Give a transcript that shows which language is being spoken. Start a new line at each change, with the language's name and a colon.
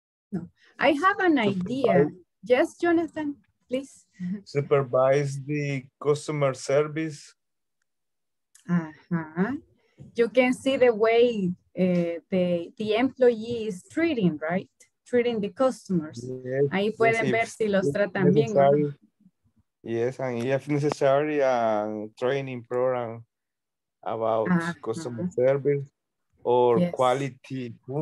English: No. I have an idea. Yes, Jonathan, please. Supervise the customer service. Uh-huh. You can see the way the employee is treating, right? Treating the customers.
Spanish: Yes, ahí pueden ver si los tratan bien.
English: Yes, and if necessary, a training program about customer service or quality.